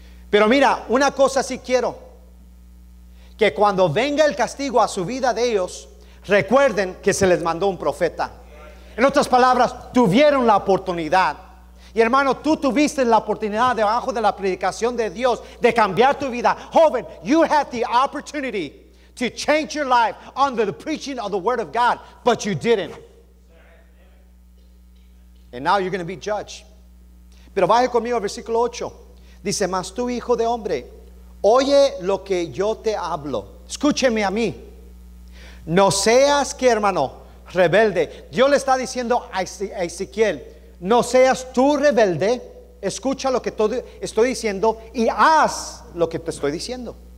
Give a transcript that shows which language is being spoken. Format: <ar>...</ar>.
<es>Pero mira, una cosa sí quiero: que cuando venga el castigo a su vida de ellos, recuerden que se les mandó un profeta. En otras palabras, tuvieron la oportunidad. Y hermano, tú tuviste la oportunidad debajo de la predicación de Dios de cambiar tu vida.</es> <en>Joven, you had the opportunity to change your life under the preaching of the word of God, but you didn't. And now you're going to be judged.</en> <es>Pero baje conmigo al versículo 8. Dice: mas tú, hijo de hombre, oye lo que yo te hablo. Escúcheme a mí. No seas que, hermano, rebelde. Dios le está diciendo a Ezequiel: no seas tú rebelde, escucha lo que estoy diciendo y haz lo que te estoy diciendo.</es>